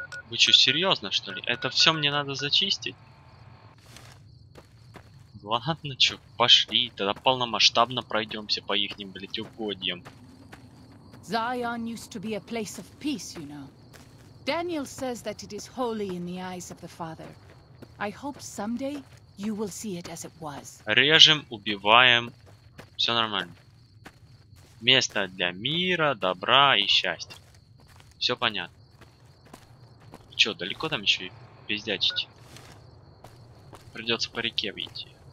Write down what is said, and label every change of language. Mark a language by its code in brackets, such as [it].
[ru] Вы что, серьезно, что ли? Это все мне надо зачистить? Ладно, что, пошли. Тогда полномасштабно пройдемся по ихним, блядь, угодьям. [en] Zion used to be a place of peace, you know. Daniel says that it is holy in the eyes of the Father. I hope someday you will see it as it was. [ru] Режем, убиваем. Все нормально. Место для мира, добра и счастья. Все понятно. Чё, далеко там еще и пиздячить? Придется по реке выйти.